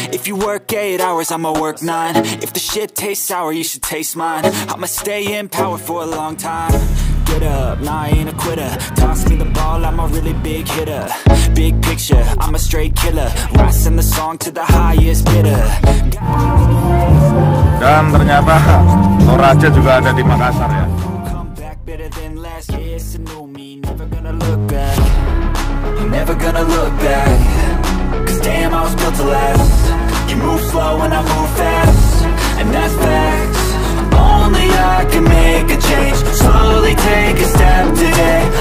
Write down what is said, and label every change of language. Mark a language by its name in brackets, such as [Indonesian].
[English] If you work 8 hours, I'ma work 9. If the shit tastes sour, you should taste mine. I'ma stay in power for a long time. Get up, nah, I ain't a quitter. Toss me the ball, I'm a really big hitter. Big picture, I'm a straight killer. I send the song to the highest bidder. [Indonesian] Dan ternyata Toraja juga ada di Makassar ya. [English] Come back better than last year, so no me. Never gonna look back. Never gonna look back. Cause damn, I was built to last. You move slow and I move fast. And that's facts. Only I can make a change. Slowly take a step today.